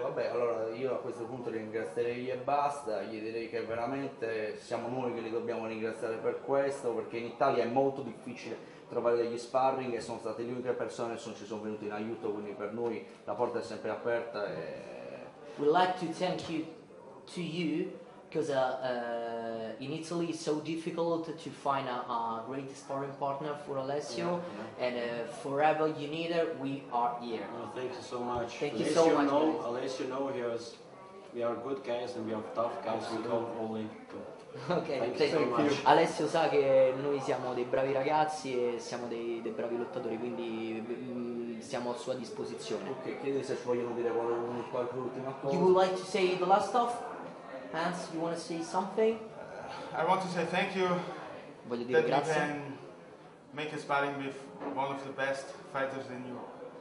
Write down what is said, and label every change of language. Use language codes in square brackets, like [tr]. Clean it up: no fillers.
[it] Allora io a questo punto ringrazierei e basta, gli direi che veramente siamo noi che li dobbiamo ringraziare per questo, perché in Italia è molto difficile trovare degli sparring e sono state le uniche persone che ci sono venute in aiuto, quindi per noi la porta è sempre aperta. E [en] we'd like to thank you to you, because in Italy it's so difficult to find a great sparring partner for Alessio, and forever you need it, we are here. Oh, thank you so much. Thank you so much. Alessio know here is, we are good guys and we are tough guys. We come only to. Okay, thank you so much. [it] Alessio sa che noi siamo dei bravi ragazzi e siamo dei bravi lottatori, quindi siamo a sua disposizione. Ok, chiedi se ci vogliono dire qualche ultima cosa. [en] You would like to say the last stuff? Hans, you want to say something? I want to say thank you. [it] Voglio dire grazie. [en] That you can make a sparring with one of the best fighters in Europe.